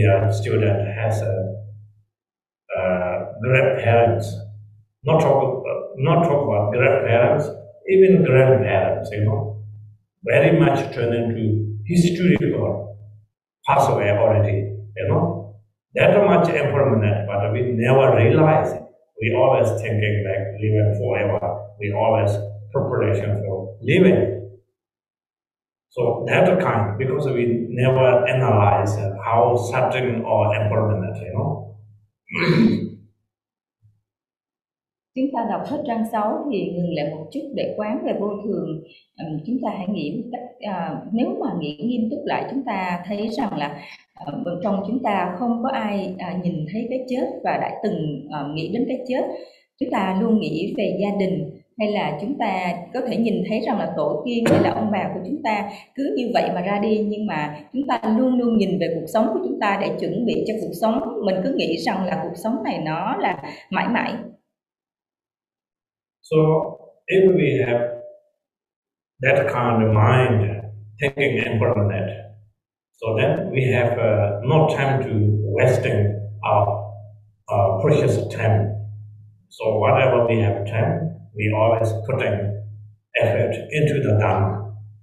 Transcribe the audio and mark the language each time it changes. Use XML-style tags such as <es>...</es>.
<en>Student has a grandparents, not talk about grandparents, even grandparents, you know, very much turn into history or pass away already, you know, that much impermanent, but we never realize it. We always thinking like living forever, we always preparation for living. So that kind, because we never analyze how certain or impermanent, you know.</en> <vi>Chúng ta đọc hết trang 6 thì ngừng lại một chút để quán về vô thường. Chúng ta hãy nghĩ, nếu mà nghĩ nghiêm túc lại, chúng ta thấy rằng là trong chúng ta không có ai nhìn thấy cái chết và đã từng nghĩ đến cái chết. Chúng ta luôn nghĩ về gia đình. Hay là chúng ta có thể nhìn thấy rằng là tổ tiên hay là ông bà của chúng ta cứ như vậy mà ra đi, nhưng mà chúng ta luôn luôn nhìn về cuộc sống của chúng ta để chuẩn bị cho cuộc sống. Mình cứ nghĩ rằng là cuộc sống này nó là mãi mãi.</vi> <en>So if we have that kind of mind thinking impermanent. So then we have no time to wasting our precious time. So whatever we have time, we always putting effort into the Dhamma.</en>